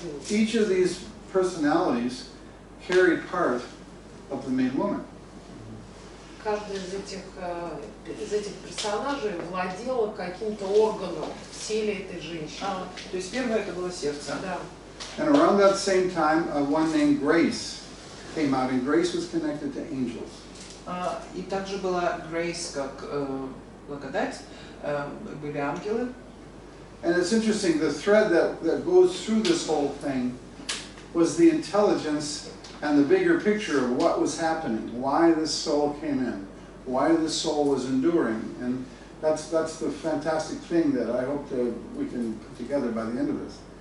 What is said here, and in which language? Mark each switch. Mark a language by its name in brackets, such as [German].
[English] Each of these personalities carried part of the main woman. [Russian] Каждый из этих персонажей владел каким-то органом в силе этой женщины. То есть первое это было сердце. [English] And around that same time, a one named Grace came out, and Grace was connected to angels. [Russian] И также была Грейс как благодать, были ангелы. [English] And it's interesting, the thread that goes through this whole thing was the intelligence and the bigger picture of what was happening, why this soul came in, why this soul was enduring, and that's the fantastic thing that I hope that we can put together by the end of this.